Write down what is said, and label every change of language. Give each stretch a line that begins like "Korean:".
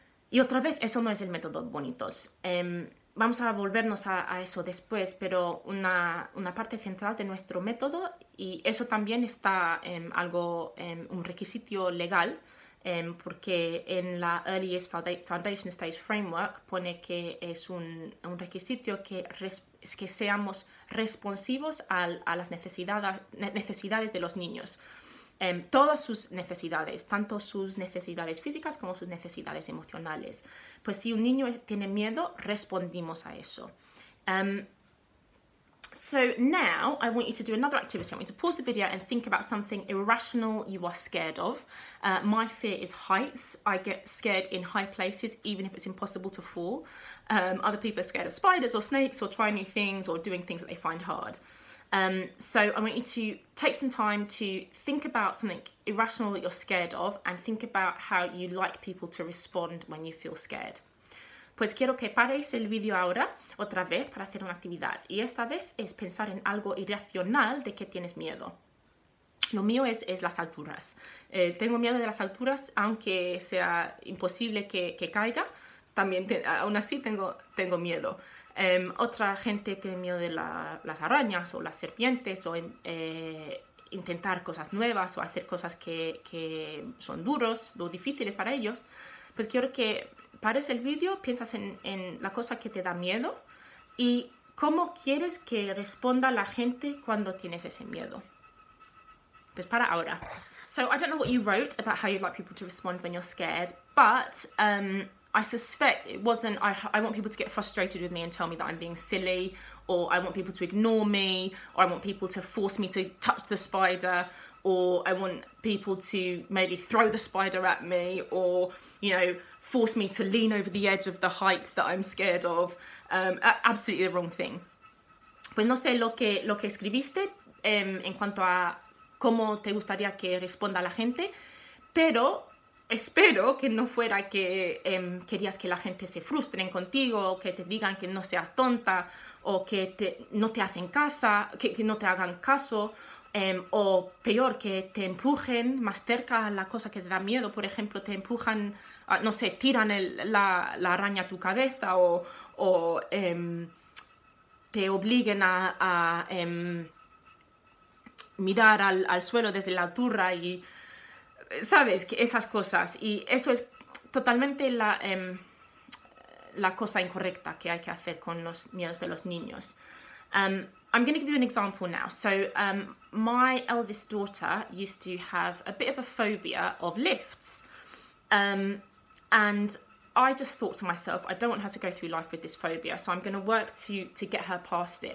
Spanish: Y otra vez, eso no es el método Bonitos. Vamos a volvernos a eso después, pero una parte central de nuestro método, y eso también está un requisito legal, porque en la Early Years Foundation Stage Framework pone que es un requisito que seamos responsivos a las necesidades de los niños. Todas sus necesidades, tanto sus necesidades físicas como sus necesidades emocionales. Pues si un niño tiene miedo, respondimos a eso.
English: So now I want you to do another activity. I want you to pause the video and think about something irrational you are scared of. My fear is heights. I get scared in high places, even if it's impossible to fall. Other people are scared of spiders or snakes or trying new things or doing things that they find hard. So I want you to take some time to think about something irrational that you're scared of and think about how you like people to respond when you feel scared.
Spanish: Pues quiero que paréis el vídeo ahora otra vez para hacer una actividad. Y esta vez es pensar en algo irracional de que tienes miedo. Lo mío es las alturas. Tengo miedo de las alturas, aunque sea imposible que caiga. También aún así tengo miedo. Otra gente tiene miedo de las arañas o las serpientes o intentar cosas nuevas o hacer cosas que son duros o difíciles para ellos. Pues quiero que pares el vídeo, piensas en la cosa que te da miedo y cómo quieres que responda la gente cuando tienes ese miedo. Pues para ahora.
English: So I don't know what you wrote about how you'd like people to respond when you're scared, but I suspect it wasn't, I want people to get frustrated with me and tell me that I'm being silly, or I want people to ignore me, or I want people to force me to touch the spider, or I want people to maybe throw the spider at me, or, you know, force me to lean over the edge of the height that I'm scared of. That's absolutely the wrong thing.
Spanish: Pues no sé lo que escribiste en cuanto a cómo te gustaría que responda la gente, pero espero que no fuera que querías que la gente se frustren contigo, o que te digan que no seas tonta, o que no te hagan caso, o peor, que te empujen más cerca a la cosa que te da miedo. Por ejemplo, te empujan, no sé, tiran la araña a tu cabeza, o te obliguen a mirar al suelo desde la altura y, ¿sabes? Esas cosas. Y eso es totalmente la cosa incorrecta que hay que hacer con los miedos de los niños.
English: I'm going to give you an example now. So my eldest daughter used to have a bit of a phobia of lifts. And I just thought to myself, I don't want her to go through life with this phobia, so I'm going to work to get her past it.